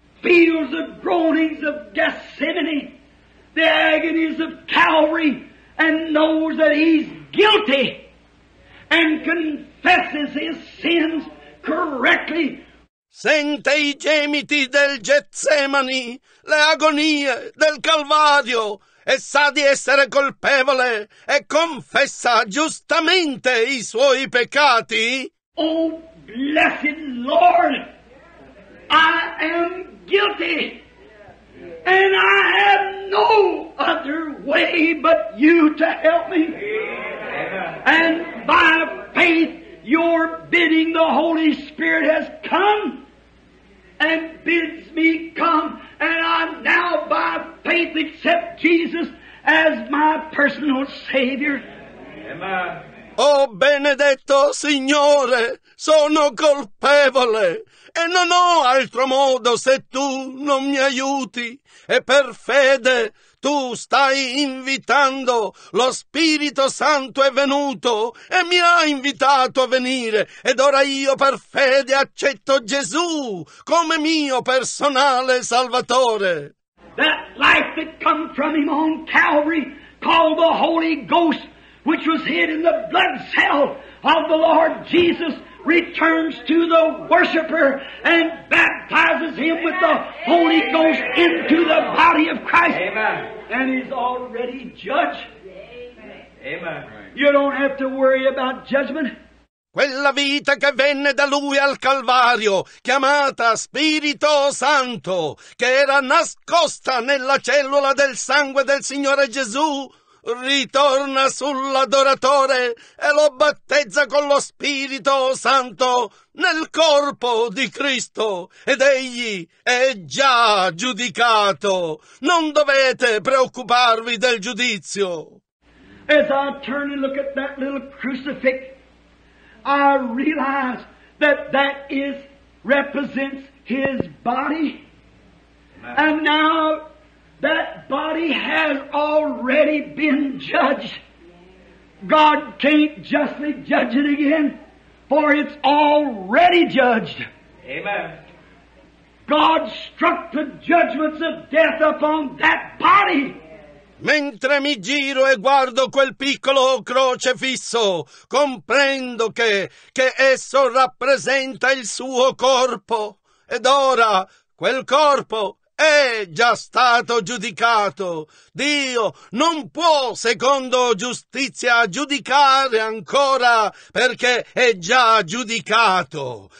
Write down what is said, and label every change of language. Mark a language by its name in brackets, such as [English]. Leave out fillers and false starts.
[English] Feels the groanings of Gethsemane, the agonies of Calvary, and knows that he's guilty and confesses his sins correctly. [Italian] Sente i gemiti del Getsemani, le agonie del Calvario, e sa di essere colpevole e confessa giustamente i suoi peccati. [English] Oh, blessed Lord, I am guilty, and I have no other way but you to help me. And by faith, your bidding, the Holy Spirit has come and bids me come, and I now by faith accept Jesus as my personal Savior. [Italian] Oh, benedetto Signore, sono colpevole. E non ho altro modo se tu non mi aiuti. E per fede tu stai invitando. Lo Spirito Santo è venuto e mi ha invitato a venire. Ed ora io per fede accetto Gesù come mio personale Salvatore. [English] That life that come from him on Calvary, called the Holy Ghost, which was hid in the blood cell of the Lord Jesus, returns to the worshiper and baptizes him with the Holy Ghost into the body of Christ. Amen. And he's already judged. Amen. You don't have to worry about judgment. [Italian] quella vita che venne da lui al Calvario, chiamata Spirito Santo, che era nascosta nella cellula del sangue del Signore Gesù, ritorna sull'adoratore e lo battezza con lo Spirito Santo nel corpo di Cristo, ed egli è già giudicato. Non dovete preoccuparvi del giudizio. [English] As I turn and look at that little crucifix, I realize that that is represents his body. And now that body has already been judged. God can't justly judge it again, for it's already judged. Amen. God struck the judgments of death upon that body. [Italian] Mentre mi giro e guardo quel piccolo crocefisso, comprendo che esso rappresenta il suo corpo. Ed ora quel corpo è già stato giudicato. Dio non può, secondo giustizia, giudicare ancora, perché è già giudicato.